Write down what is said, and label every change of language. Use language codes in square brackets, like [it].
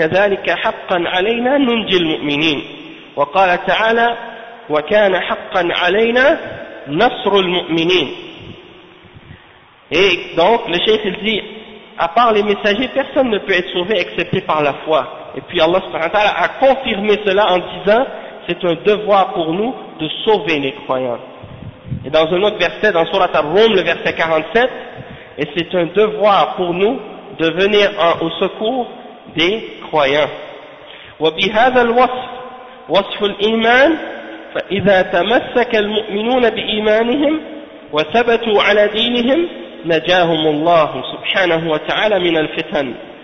[ar] كذلك حقا علينا ننجي المؤمنين، وقال تعالى وكان حقا علينا نصر المؤمنين. [fr] Et donc le cheikh il dit, à part les messagers, personne ne peut être sauvé excepté par la foi. Et puis Allah subhanahu wa ta'ala a confirmé cela en disant, c'est un devoir pour nous de sauver les croyants. Et dans un autre verset, dans Surat al-Rum, le verset 47, et c'est un devoir pour nous de venir au secours des croyants. [ar] وبهذا الوصف وصف الإيمان فإذا تمسك المؤمنون بإيمانهم وثبتوا على دينهم نجاهم الله سبحانه وتعالى من الفتن